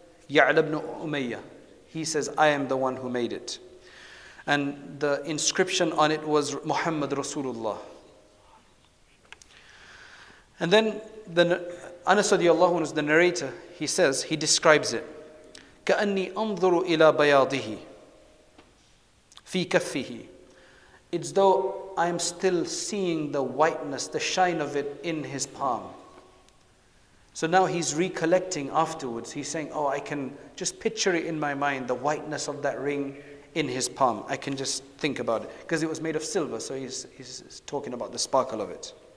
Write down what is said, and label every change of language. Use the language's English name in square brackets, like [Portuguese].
[English] Ya'la ibn Umayyah. He says, I am the one who made it. And the inscription on it was Muhammad Rasulullah. And then Anas radiallahu anhu, the narrator, he says, he describes it. [Arabic] كأني أنظر إلى بياضه في كفه. [English] It's though I am still seeing the whiteness, the shine of it in his palm. So now he's recollecting afterwards. He's saying, oh, I can just picture it in my mind, the whiteness of that ring in his palm. I can just think about it. Because it was made of silver, so he's talking about the sparkle of it.